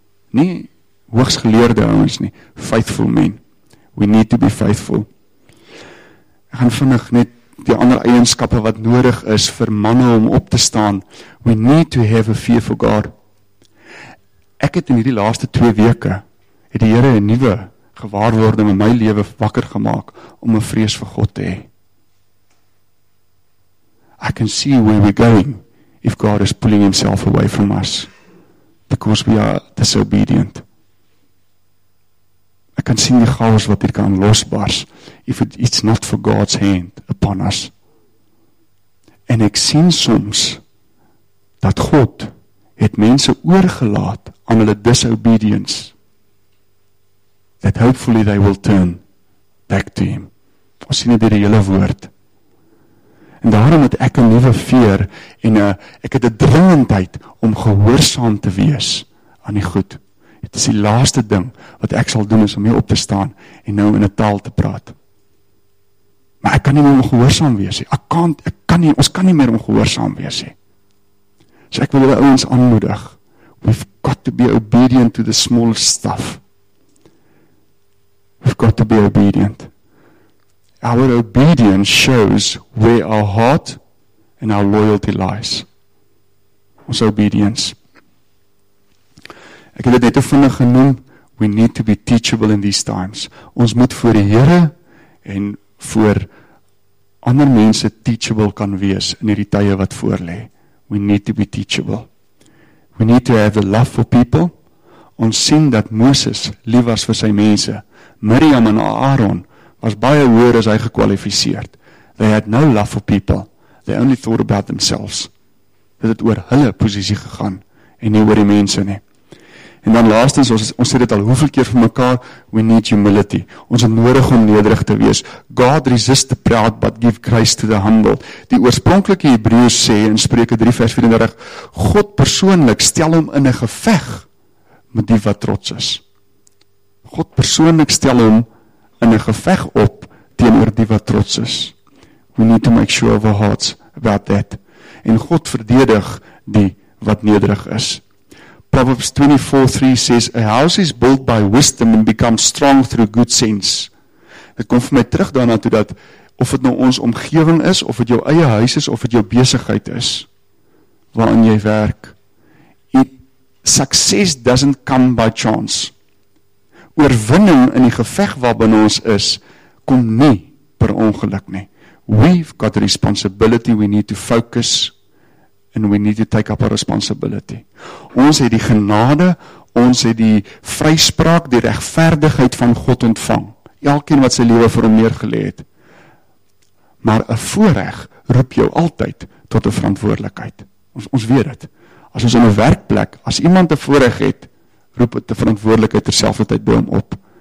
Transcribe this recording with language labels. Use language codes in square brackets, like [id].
[af] Nie hoogsgeleerde ouens nie, [en] faithful men. We need to be faithful. [af] Ek gaan vinnig net die ander eienskappe wat nodig is vir manne om op te staan. [en] We need to have a fear for God. [af] Ek het in die laaste 2 weke, het die Here 'n nuwe gewaarwording in my lewe wakker gemaak om 'n vrees vir God te hê. [en] I can see where we're going if God is pulling himself away from us because we are disobedient. [af] Ek kan sien die chaos wat hier kan losbars [en] if it's not for God's hand upon us. [af] En ek sien soms dat God het mense oorgelaat aan hulle [en] disobedience that hopefully they will turn back to him. [af] Ons sien dit in die hele woord. En daarom het ek 'n nuwe veer en ek het 'n dringendheid om gehoorsaam te wees aan die goed. Dit is die laaste ding wat ek sal doen is om hier op te staan en nou in 'n taal te praat. Maar ek kan nie meer om gehoorsaam wees nie. Ons kan nie meer om gehoorsaam wees nie. So ek wil julle ouens aanmoedig. [en] We've got to be obedient to the small stuff. We've got to be obedient. Our obedience shows where our heart and our loyalty lies. Ons obedience. [af] Ek het dit net vinnig genoem, [en] we need to be teachable in these times. [af] Ons moet voor die Here en voor ander mense teachable kan wees in hierdie tye wat voorlê. [en] We need to be teachable. We need to have a love for people. [af] Ons sien dat Moses lief was vir sy mense. Miriam en Aaron was baie hoër as hy gekwalifiseerd. [en] They had no love for people. They only thought about themselves. [af] Dit het oor hulle posisie gegaan en nie oor die mense nie. En dan laastens, ons sê dit al hoeveel keer vir mekaar, [en] we need humility. [af] Ons het nodig om nederig te wees. [en] God resist the proud, but give grace to the humble. [af] Die oorspronklike Hebreeus sê in Spreuke 3 vers 34, God persoonlik stel hom in 'n geveg met die wat trots is. God persoonlik stel hom in 'n geveg op teenoor die wat trots is. [en] We need to make sure of our hearts about that. [af] En God verdedig die wat nederig is. [en] Proverbs 24:3 says, a house is built by wisdom and becomes strong through good sense. [af] Dit kom vir my terug daarna toe dat, of het nou ons omgewing is, of het jou eie huis is, of het jou besigheid is, waarin jy werk. [en] Success doesn't come by chance. [af] Oorwinning in die geveg waarbinne ons is, kom nie per ongeluk nie. [en] We've got a responsibility, we need to focus and we need to take up our responsibility. [af] Ons het die genade, ons het die vryspraak, die regverdigheid van God ontvang. Elkeen wat sy lewe vir hom neergelê het. Maar 'n voorreg roep jou altyd tot 'n verantwoordelikheid. Ons weet dit. As ons in 'n werkplek, as iemand 'n voorreg het, roep het die verantwoordelikheid terselfdertyd by hom op.